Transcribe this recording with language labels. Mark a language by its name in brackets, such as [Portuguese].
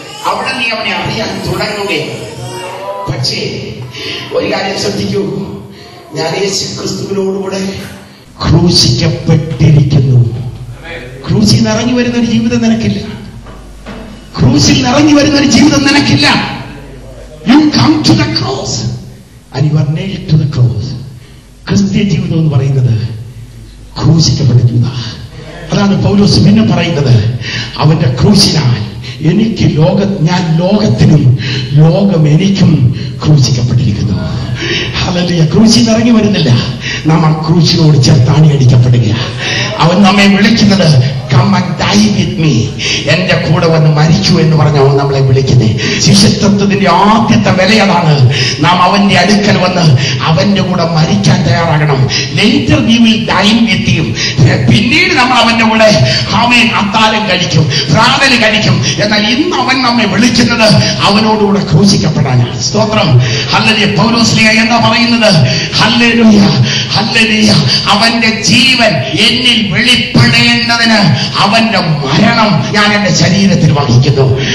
[Malayalam] അവിടെ നീ അവനെ അറിയാൻ തുടങ്ങുകയാണ്. പക്ഷേ ഒരു കാര്യം ശ്രദ്ധിക്കൂ, ഞാൻ യേശു ക്രിസ്തുവിനോടുകൂടെ ക്രൂശിക്കപ്പെട്ടിരിക്കുന്നു. ക്രൂശിൽ നിറങ്ങി വരുന്നൊരു ജീവിതം നിനക്കില്ല. ക്രൂശിൽ നിറങ്ങി വരുന്നൊരു ജീവിതം നിനക്കില്ല. [English] You come to the cross and you are nailed to the cross. [Malayalam] ക്രിസ്തീയ ജീവിതം എന്ന് പറയുന്നത് ക്രൂശിക്കപ്പെട്ടിരിക്കുന്ന, അതാണ് പൗലോസ് പിന്നെ പറയുന്നത്. അവന്റെ ക്രൂശിനാൽ എനിക്ക് ഞാൻ ലോകത്തിനും ലോകം എനിക്കും ക്രൂശിക്കപ്പെട്ടിരിക്കുന്നു. ഹല്ലേലൂയ. ക്രൂശിൽ നിന്ന് ഇറങ്ങി വരുന്നില്ല, നാം ആ ക്രൂശിനോട് ചേർത്താണി അടിക്കപ്പെടുക. അവൻ നമ്മെ വിളിക്കുന്നത് [English] Come and die with me. [Malayalam] എന്റെ കൂടെ വന്ന് മരിച്ചു എന്ന് പറഞ്ഞ അവൻ നമ്മളെ വിളിക്കുന്നത്. ശിഷ്യത്വത്തിന്റെ ആദ്യത്തെ വില അതാണ്. നാം അവന്റെ അടുക്കൽ വന്ന് അവന്റെ കൂടെ മരിക്കാൻ തയ്യാറാകണം. [English] Later we will die with him. [Malayalam] പിന്നീട് നമ്മൾ അവന്റെ കൂടെ ആമേൻ അത്താലം കഴിക്കും, പ്രാതൽ കഴിക്കും. എന്നാൽ ഇന്ന് അവൻ നമ്മെ വിളിക്കുന്നത് അവനോടുകൂടെ ക്രൂശിക്കപ്പെടാനാണ്. സ്തോത്രം. ഹല്ലേലൂയ. പൗലോസ്ലിയ എന്താ പറയുന്നത്? ഹല്ലേലൂയ. ഹല്ലേലൂയ. അവന്റെ ജീവൻ എന്നിൽ വെളിപ്പെടേണ്ടതിന് അവന്റെ മരണം ഞാൻ എന്റെ ശരീരത്തിൽ വഹിക്കുന്നു.